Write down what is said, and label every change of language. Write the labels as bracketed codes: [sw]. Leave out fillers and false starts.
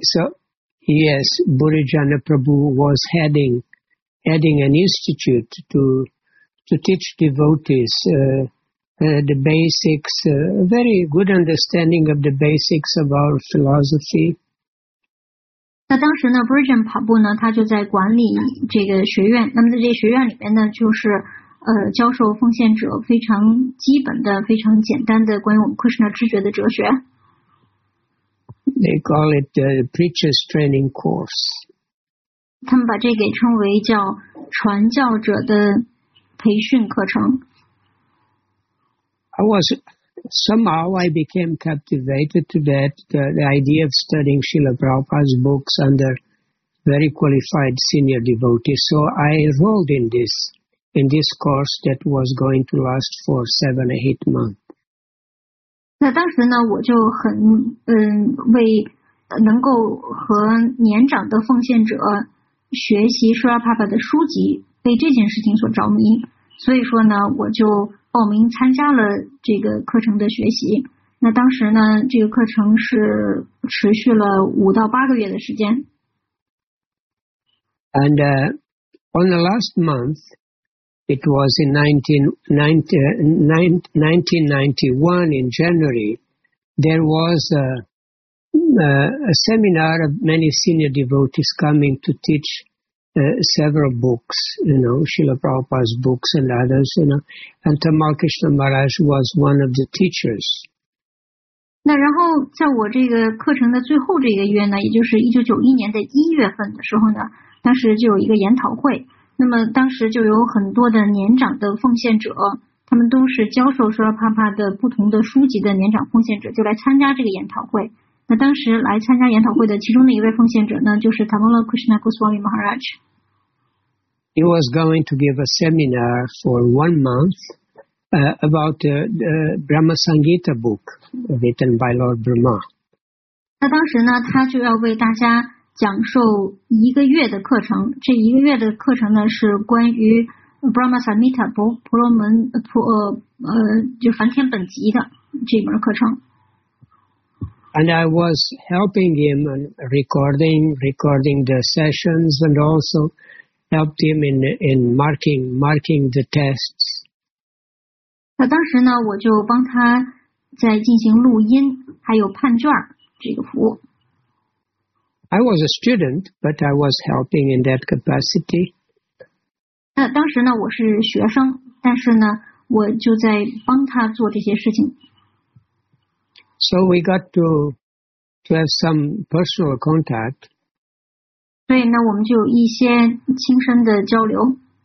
[en] So yes, Burijana Prabhu was heading an institute to teach devotees the basics, very good understanding of the basics of our philosophy. [zh] 那当时呢 ，Burijan Prabhu 呢，他就在管理这个学院。那么在这个学院里边呢，就是教授奉献者非常基本的、非常简单的关于我们 Krishna 知觉的哲学。 [en] They call it the preacher's training course. [zh] 他们把这给称为叫传教者的培训课程。 [en] I was somehow I became captivated to that the idea of studying Srila Prabhupada's books under very qualified senior devotees. So I enrolled in this course that was going to last for 7 or 8 months. [zh] 那当时呢，我就很为能够和年长的奉献者学习 Srila Prabhupada 的书籍，被这件事情所着迷。所以说呢，我就报名参加了这个课程的学习。那当时呢，这个课程是持续了5到8个月的时间。 [en] And on the last month, it was in 1991 in January, there was a seminar of many senior devotees coming to teach several books, you know, Srila Prabhupada's books and others, you know, and Tamal Krishna Maharaj was one of the teachers. [zh] 那然后在我这个课程的最后这个月呢，也就是1991年的一月份的时候呢，当时就有一个研讨会。那么当时就有很多的年长的奉献者，他们都是教授Srila Prabhupada的不同的书籍的年长奉献者，就来参加这个研讨会。那当时来参加研讨会的其中的一位奉献者呢，就是 Tamala Krishna Goswami Maharaj。 [en] He was going to give a seminar for 1 month about the Brahma Sangita book written by Lord Brahma. [zh] 那当时呢，他就要为大家讲授一个月的课程。这一个月的课程呢，是关于 Brahma Sangita 梵天本集的这门课程。 [en] And I was helping him on recording the sessions, and also helped him in marking the tests. [zh] 那当时呢，我就帮他在进行录音，还有判卷这个服务。 [en] I was a student, but I was helping in that capacity. [zh] 那当时呢，我是学生，但是呢，我就在帮他做这些事情。 [en] So we got to have some personal contact. [zh] 所以呢，我们就有一些亲身的交流。